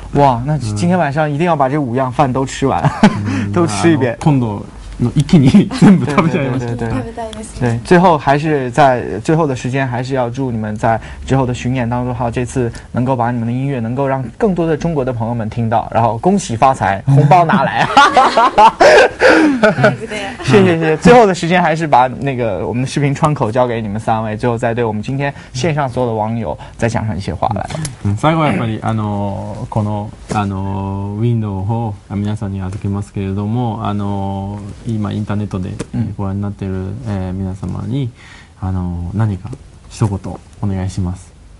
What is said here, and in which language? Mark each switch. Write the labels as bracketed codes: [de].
[zh] 哇，那今天晚上一定要把这五样饭都吃完，都吃一遍。 [ja] 今度一気に全部食べちゃいます。 [zh] 对，最后还是在最后的时间，还是要祝你们在之后的巡演当中，还有这次能够把你们的音乐能够让更多的中国的朋友们听到，然后恭喜发财，红包拿来。谢谢。最后的时间还是把那个我们的视频窗口交给你们三位，最后再对我们今天线上所有的网友再讲上一些话来。 [ja] 最后やっぱりこのウィンドウを皆さんに預けますけれども、今インターネットでご覧になっている皆様に何か一言お願いします。